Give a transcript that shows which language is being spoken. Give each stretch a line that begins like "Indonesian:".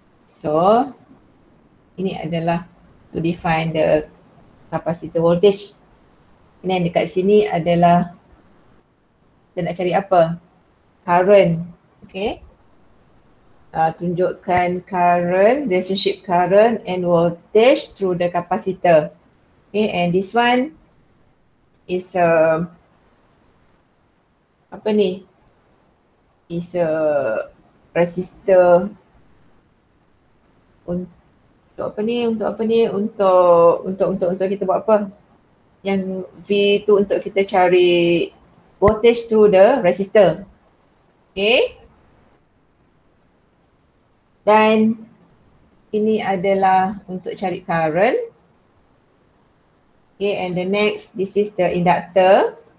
English: So,
Malay: ini adalah
English: to define the capacitor voltage. And then
Malay: dekat sini adalah kita nak cari apa?
English: Current, okay?
Malay: Tunjukkan
English: current, relationship current and voltage through the capacitor. Okay, and this one is a,
Malay: apa ni?
English: Is a resistor
Malay: untuk apa ni? Untuk apa ni? Untuk kita buat apa? Yang V tu untuk kita cari
English: voltage through the resistor.
Malay: Okay. Dan ini adalah untuk cari current.
English: Okay, and the next, this is the inductor.